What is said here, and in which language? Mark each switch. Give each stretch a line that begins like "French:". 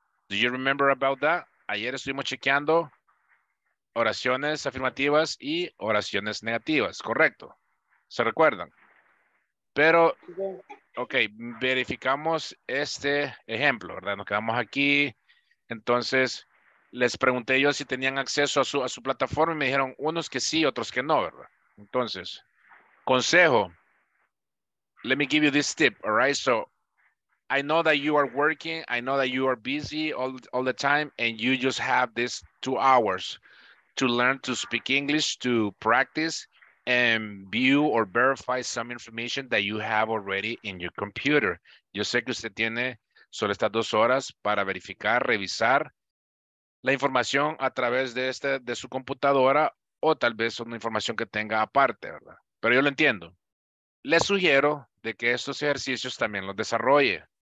English: Do you remember about that?
Spanish: Ayer estuvimos chequeando oraciones afirmativas y oraciones negativas, correcto. ¿Se recuerdan? Pero, ok, verificamos este ejemplo, ¿verdad? Nos quedamos aquí. Entonces, les pregunté yo si tenían acceso a su plataforma y me dijeron unos que sí, otros que no, ¿verdad? Entonces, consejo.
English: Let me give you this tip, all right? So, I know that you are working. I know that you are busy all the time and you just have these 2 hours to learn to speak English, to practice and view or verify some information that you have already in your computer.
Spanish: Yo sé que usted tiene solo estas 2 horas para verificar, revisar la información a través de su computadora o tal vez una información que tenga aparte, ¿verdad? Pero yo lo entiendo. Le sugiero de que estos ejercicios también los desarrolle.